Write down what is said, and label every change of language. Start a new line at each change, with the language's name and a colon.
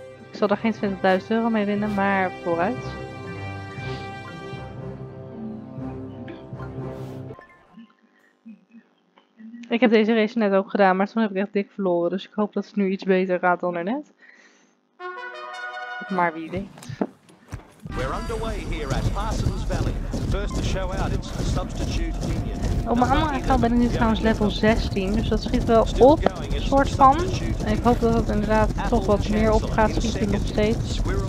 Dutch: Ik zal er geen 20.000 euro mee winnen, maar vooruit. Ik heb deze race net ook gedaan, maar toen heb ik echt dik verloren. Dus ik hoop dat het nu iets beter gaat dan daarnet. Maar wie weet.
English: We're underway here at Parsons Valley. First to show out it's a substitute team.
Dutch: Op mijn andere account ben ik nu trouwens level 16, dus dat schiet wel op, soort van. En ik hoop dat het inderdaad toch wat meer op gaat schieten nog steeds.